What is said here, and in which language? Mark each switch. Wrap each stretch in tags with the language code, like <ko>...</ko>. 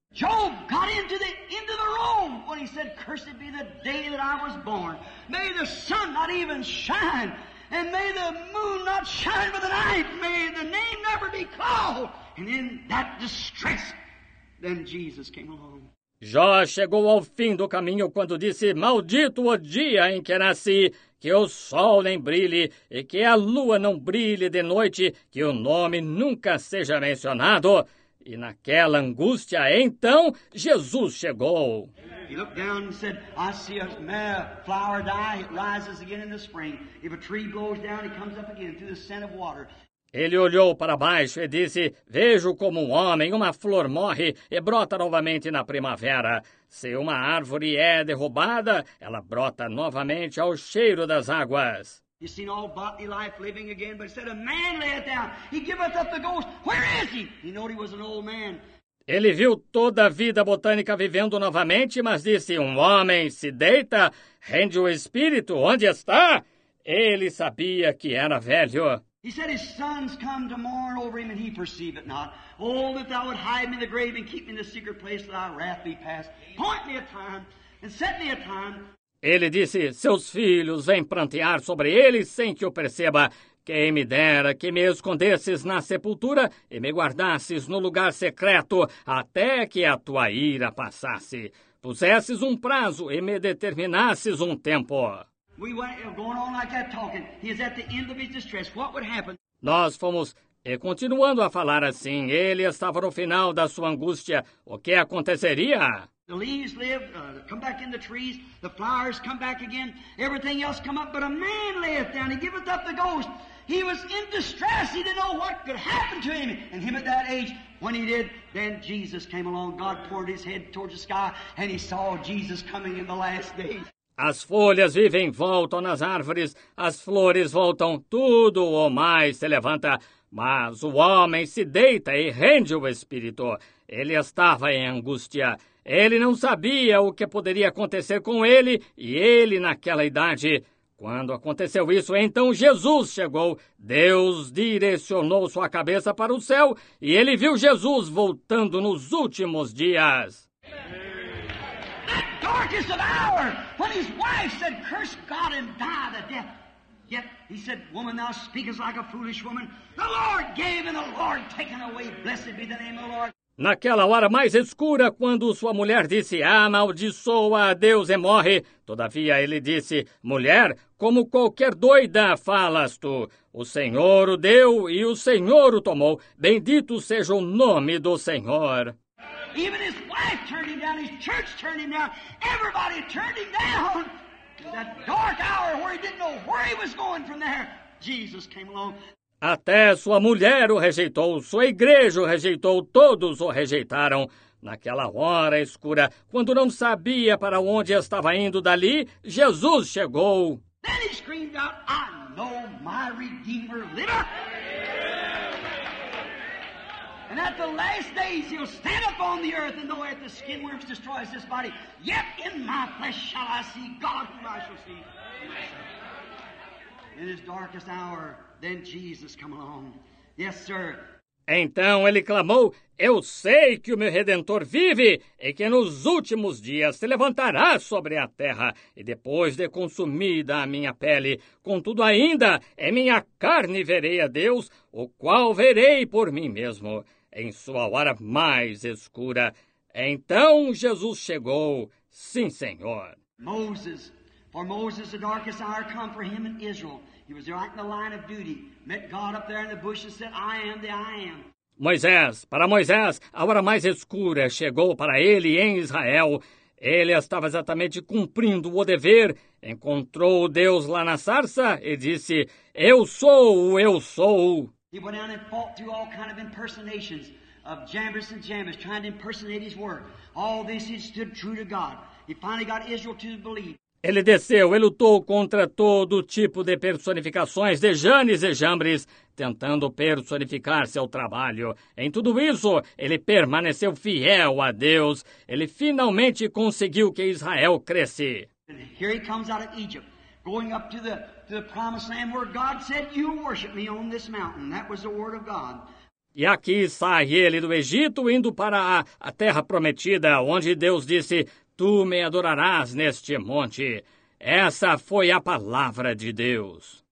<en>Job got into the end of the room when he said, "Cursed be the day that I was born. May the sun not even shine, and may the moon not shine for the night. May the name never be called." And in that distress, then Jesus came along.</en> <pt>Jó chegou ao fim do caminho quando disse, maldito o dia em que nasci, que o sol nem brilhe e que a lua não brilhe de noite, que o nome nunca seja mencionado. E naquela angústia, então, Jesus chegou.</pt> <en>He looked down and said, I see a flower die, it rises again in the spring. If a tree blows down, it comes up again through the scent of water.</en> <pt>Ele olhou para baixo e disse, vejo como um homem, uma flor morre e brota novamente na primavera. Se uma árvore é derrubada, ela brota novamente ao cheiro das águas.</pt> <en>You seen all bodily life living again, but said a man lay down. He giveth up the ghost. Where is he? He knew he was an old man.</en> <pt>Ele viu toda a vida botânica vivendo novamente, mas disse, um homem se deita, rende o espírito, onde está? Ele sabia que era velho.</pt> <en>He said his sons come to mourn over him and he perceive it not. Oh, that thou would hide me in the grave and keep me in the secret place that thy wrath be past. Point me a time and set me a time.</en> <pt>Ele disse, seus filhos vêm prantear sobre ele sem que o perceba. Quem me dera que me escondesses na sepultura e me guardasses no lugar secreto até que a tua ira passasse. Pusesses um prazo e me determinasses um tempo.</pt> <en>We went going on like that talking. He is at the end of his distress. What would happen?</en> <pt>Nós fomos e continuando a falar assim, ele estava no final da sua angústia. O que aconteceria?</pt> <en>The leaves live, come back in the trees. The flowers come back again. Everything else come up, but a man layeth down. He giveth up the ghost. He was in distress. He didn't know what could happen to him. And him at that age, when he did, then Jesus came along. God poured his head towards the sky, and he saw Jesus coming in the last days.</en> <pt>As folhas vivem, voltam nas árvores, as flores voltam, tudo o mais se levanta, mas o homem se deita e rende o espírito. Ele estava em angústia, ele não sabia o que poderia acontecer com ele e ele naquela idade. Quando aconteceu isso, então Jesus chegou, Deus direcionou sua cabeça para o céu e ele viu Jesus voltando nos últimos dias.</pt> <en>Darkest of hour, when his wife said, curse God and die the death. Yet he said, woman, thou speakest like a foolish woman. The Lord gave and the Lord taken away. Blessed be the name of the Lord.</en> <pt>Naquela hora mais escura, quando sua mulher disse, amaldiçoa a Deus e morre. Todavia ele disse, mulher, como qualquer doida falas tu. O Senhor o deu e o Senhor o tomou. Bendito seja o nome do Senhor.</pt> <en>Even his wife turned him down, his church turned him down, everybody turned him down. In that dark hour where he didn't know where he was going from there, Jesus came along.</en> <pt>Até sua mulher o rejeitou, sua igreja o rejeitou, todos o rejeitaram. Naquela hora escura, quando não sabia para onde estava indo dali, Jesus chegou.</pt> <en>Then he screamed out, I know my Redeemer liveth. And at the last days he'll stand up on the earth and though at the skin works destroys this body, yet in my flesh shall I see God whom I shall see. In his darkest hour, then Jesus come along. Yes, sir.</en> <pt>Então ele clamou, eu sei que o meu Redentor vive e que nos últimos dias se levantará sobre a terra e depois de consumida a minha pele, contudo ainda em minha carne verei a Deus, o qual verei por mim mesmo, em sua hora mais escura. Então Jesus chegou, sim, Senhor.</pt> <en>Moses, for Moses the darkest hour come for him in Israel. He was right in the line of duty. Met God up there in the bush and said, I am the I am.</en> <pt>Moisés, para Moisés, a hora mais escura chegou para ele em Israel. Ele estava exatamente cumprindo o dever. Encontrou Deus lá na sarça e disse: Eu sou o Eu Sou.</pt> <en>He went out and fought through all kind of impersonations of Jambres and Jambres, trying to impersonate his work. All this he stood true to God. He finally got Israel to believe.</en> <pt>Ele desceu, ele lutou contra todo tipo de personificações de Jannes e Jambres, tentando personificar seu trabalho. Em tudo isso, ele permaneceu fiel a Deus. Ele finalmente conseguiu que Israel cresce.</pt> <en>Here he comes out of Egypt, going up to the promised land where God said, You worship me on this mountain. That was the word of God.</en> <pt>E aqui sai ele do Egito, indo para a terra prometida, onde Deus disse, Tu me adorarás neste monte. Essa foi a palavra de Deus.</pt>